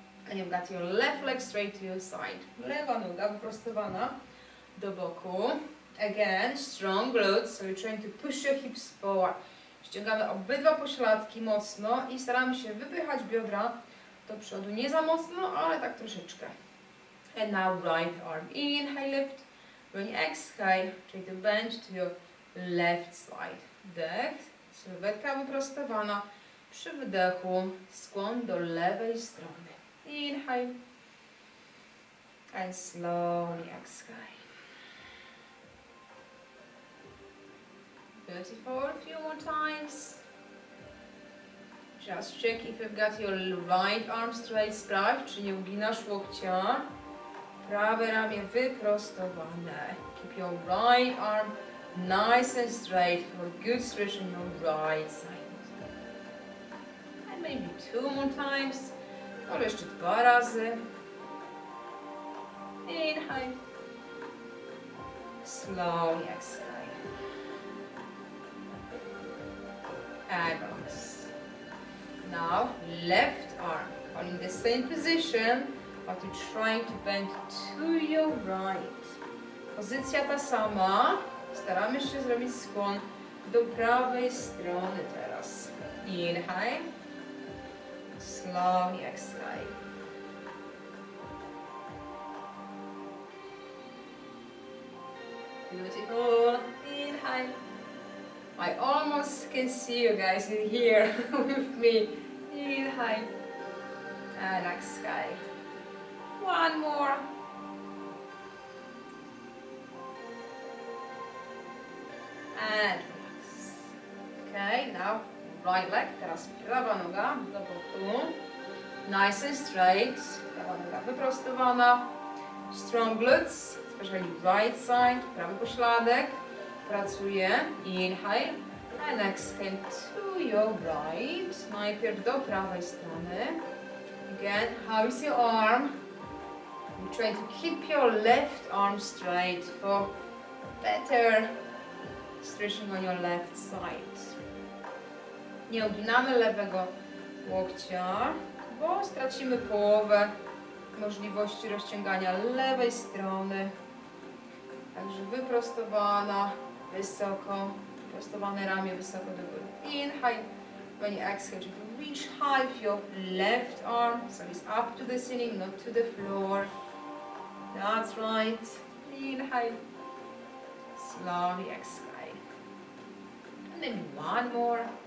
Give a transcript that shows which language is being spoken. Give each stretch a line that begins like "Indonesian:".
English: And you've got your left leg straight to your side.
Polish: Lewa noga wyprostowana do boku.
English: Again, strong glutes, so you're trying to push your hips forward.
Polish: Ściągamy obydwa pośladki mocno i staramy się wypychać biodra do przodu. Nie za mocno, ale tak troszeczkę.
English: And now right arm inhale, lift. Bring exhale, try to bend to your left side.
Polish: Dech, sylwetka wyprostowana. Przy wydechu skłon do lewej strony.
English: Inhale. And slowly exhale. Beautiful, a few more times. Just check if you've got your right arm straight.
Polish: Sprawdź, czy nie uginasz łokcia. Prawe ramię wyprostowane.
English: Keep your right arm nice and straight for good stretch on your right side. And maybe two more times. Or
Polish: jeszcze dwa razy.
English: Inhale. Slowly exhale. And relax. Now, left arm. On the same position, but you're trying to bend to your right.
Polish: Pozycja ta sama. Staramy się zrobić skłon do prawej strony teraz.
English: Inhale. Slowly exhale. Beautiful. Inhale. I almost can see you guys in here with me. Inhale. And exhale. One more. And relax. Okay, now right leg.
Polish: Teraz prawa noga do boku.
English: Nice and straight.
Polish: Prawa noga wyprostowana.
English: Strong glutes. Especially right side.
Polish: Prawy pośladek. Pracuje.
English: Inhale. And exhale to your right.
Polish: Najpierw do prawej strony.
English: Again, how is your arm? You're trying to keep your left arm straight for better stretching on your left side.
Polish: Nie uginamy lewego łokcia, bo stracimy połowę możliwości rozciągania lewej strony. Także wyprostowana, wysoko. Prostowane ramię wysoko do góry.
English: Inhale. When you exhale, you reach high with your left arm. So it's up to the ceiling, not to the floor. That's right. Inhale. Slowly exhale. And maybe one more.